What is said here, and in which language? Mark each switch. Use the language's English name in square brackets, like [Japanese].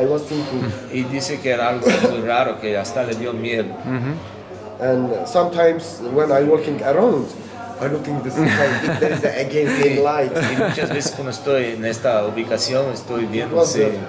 [English] I was thinking. [Spanish] Y dice que era algo muy raro, que hasta le dio miedo. Mm-hmm. [English] And sometimes when I walking around, I looking this time, there is again green light. [Spanish] Y muchas veces cuando estoy en esta ubicación, estoy viendo si.